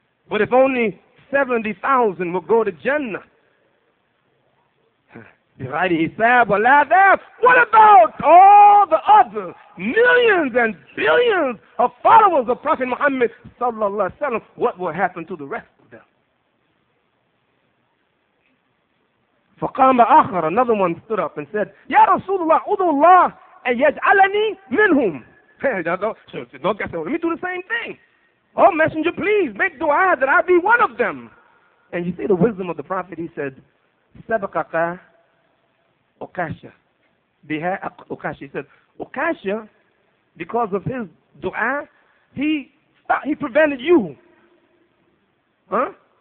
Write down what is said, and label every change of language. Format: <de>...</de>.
<en>But if only 70,000 will go to Jannah,</en> <ar>بِغَيْرِ حِسَابٍ وَلَا عَذَابٍ,</ar> <en>what about all the other millions and billions of followers of Prophet Muhammad sallallahu alaihi wasallam? What will happen to the rest of them?</en> <ar>فقام آخر,</ar> <en>another one stood up and said,</en> <ar>يا رسول الله أدعو الله أن يجعلني منهم.</ar> <en>Let me do the same thing. Oh messenger, please make dua that I be one of them. And you see the wisdom of the prophet, he said,</en> <ar>سبقك أكاشا بها أكاشا.</ar> <en>He said, أكاشا, because of his dua, he prevented you. Huh?</en>